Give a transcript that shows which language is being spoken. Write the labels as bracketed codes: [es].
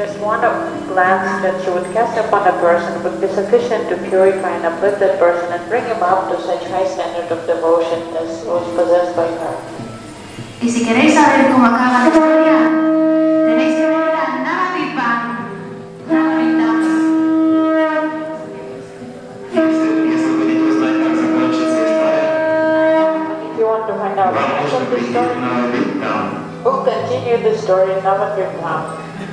[en] Just one of glance that she would cast upon a person would be sufficient to purify and uplift that person and bring him up to such high standard of devotion as was possessed by her. [es] Y si queréis saber cómo acaba la historia, tenéis que ver a Navadvipa, Navadvipa. [en] If you want to find out the end of the story, we'll continue the story in Navadvipa.